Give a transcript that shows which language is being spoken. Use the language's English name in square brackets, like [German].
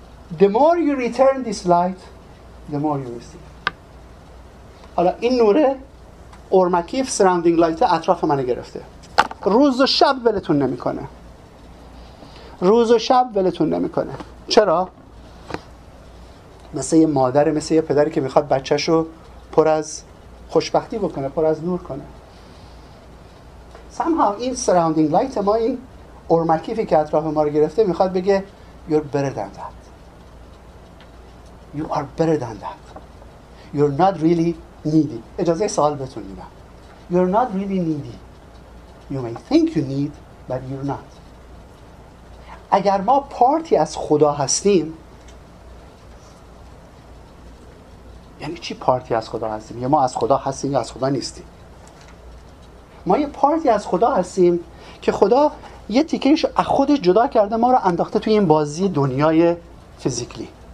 [English] The more you return this light, the more you receive. [Persian] حالا این نوره اورمکیف سراندینگ لایت اطراف منو گرفته، روز و شب ولتون نمیکنه، روز و شب ولتون نمیکنه. چرا؟ مثل یه مادر، مثل یه پدری که میخواد بچهشو پر از خوشبختی بکنه، پر از نور کنه. Somehow این surrounding light ما، این ارمکیفی که اطراف ما رو گرفته، میخواد بگه [English] You're better than that. You are better than that. You're not really needy. [Persian] اجازه سوال بهتون میدم. [English] You're not really needy. You may think you need, but you're not. [Persian] اگر ما پارتی از خدا هستیم، یعنی چی پارتی از خدا هستیم؟ یا ما از خدا هستیم یا از خدا نیستیم؟ ما یه پارتی از خدا هستیم که خدا یه تیکه‌ش از خودش جدا کرده، ما رو انداخته توی این بازی دنیای فیزیکلی.